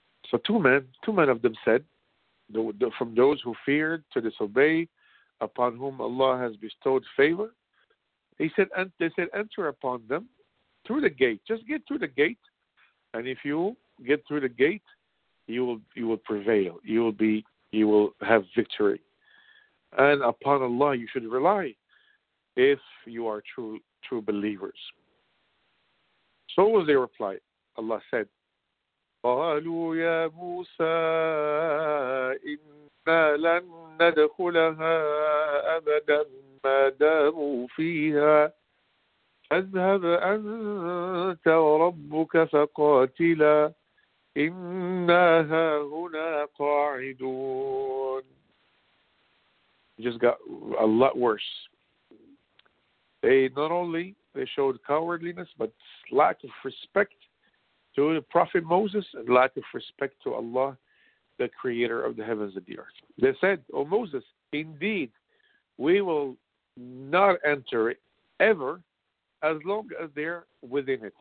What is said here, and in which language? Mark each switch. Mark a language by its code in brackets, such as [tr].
[en] So two men of them said, from those who feared to disobey, upon whom Allah has bestowed favor, they said, enter upon them through the gate. Just get through the gate, and if you get through the gate, you will prevail. You will have victory. And upon Allah you should rely, if you are true believers. So was their reply. Allah said, [ar] قالوا يا موسى إنا لن ندخلها أبدا ما داموا فيها فاذهب أنت وربك فقاتلا إنا هاهنا قاعدون. [en] Just got a lot worse. They showed cowardliness, but lack of respect to the Prophet Moses, and lack of respect to Allah, the creator of the heavens and the earth. They said, O Moses, indeed, we will not enter it ever as long as they're within it.